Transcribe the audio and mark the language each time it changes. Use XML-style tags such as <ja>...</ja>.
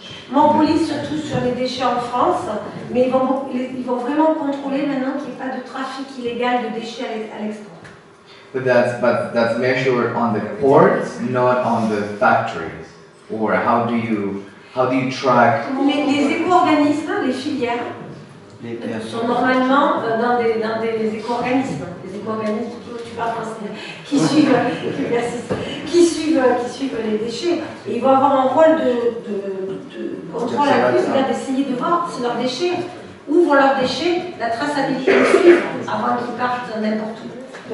<en>more police,</en> <fr>surtout sur les déchets en France, mais ils vont vraiment contrôler maintenant qu'il n'y ait pas de trafic illégal de déchets à l'export.</fr> <en>But that's measured on the ports, not on the factories. Or how do you track?</en> <fr>Les éco-organismes, les filières, sont normalement dans des éco-organismes. Les éco-organismes, tu parles français, qui suivent les déchets. Et ils vont avoir un rôle de contrôle à plus, c'est-à-dire d'essayer de voir si leurs déchets ouvrent leurs déchets, la traçabilité les suit avant qu'ils partent n'importe où.</fr>